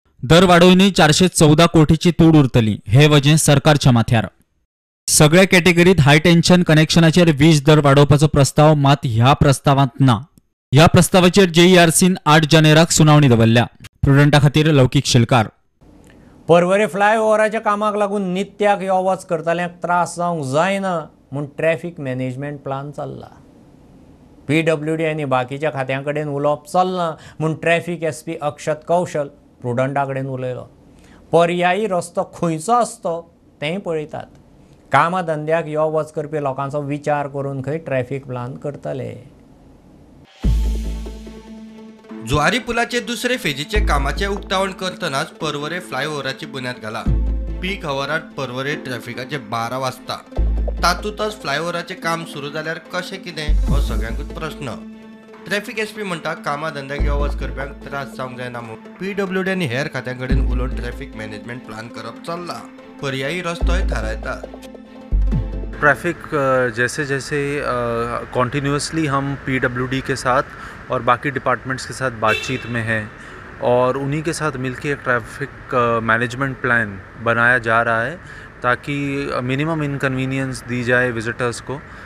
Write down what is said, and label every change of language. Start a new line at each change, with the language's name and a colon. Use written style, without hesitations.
Goan Konkani: दर वाडोवनी 414 कोटीची तूट उरतली. हे वजे सरकारच्या माथ्यार. सगळ्या कॅटेगरीत हाय टेन्शन कनेक्शनाचेर वीज दर वाडोवपाचो प्रस्ताव मात ह्या प्रस्तावांत ना. ह्या प्रस्तावाचेर JERC 8 जानेवारीक सुनावणी दवरल्या. प्रुडंटा खातीर लौकीक शेलकार. परवरे फ्लायओव्हराच्या कामाक लागून नित्याक यो वच करतल्यांक त्रास जावंक जायना म्हूण ट्रॅफिक मॅनेजमेंट प्लान चल्ला. PWD आनी बाकीच्या खात्यां कडेन उलोवप चलना म्हूण ट्रॅफिक SP अक्षत कौशल प्रुडंटा कडेन उलयलो. पर्यायी रस्तो खंयचो आसतो तेंय पळयतात. कामा धंद्याक यो वच करपी लोकांचो विचार करून खंय ट्रॅफिक प्लान करतले. जुवारी पुलाचे दुसरे फेजीचे कामाचे उक्तावण करतनाच परवरे फ्लायओव्हराची बुन्यात घाला. पीक हवरात परवरे ट्रॅफिकाचे 12 वाजता. तातूंतच फ्लायओव्हराचे काम सुरू जाल्यार कशें कितें हो सगळ्यांकूच प्रश्न. ट्रॅफिक SP म्हणटा कामा धंद्याक यो वच करप्यांक त्रास जावंक जायना म्हूण PWD आनी हेर खात्यां कडेन उलोवन ट्रॅफिक मॅनेजमेंट प्लान करप चल्ला. पर्यायी रस्तोय थारायता.
Hindi: ट्रैफिक जैसे जैसे कॉन्टीन्यूसली हम PWD के साथ और बाकी डिपार्टमेंट्स के साथ बातचीत में हैं और उन्हीं के साथ मिलके एक ट्रैफिक मैनेजमेंट प्लान बनाया जा रहा है ताकि मिनिमम इनकन्वीनियंस दी जाए विज़िटर्स को.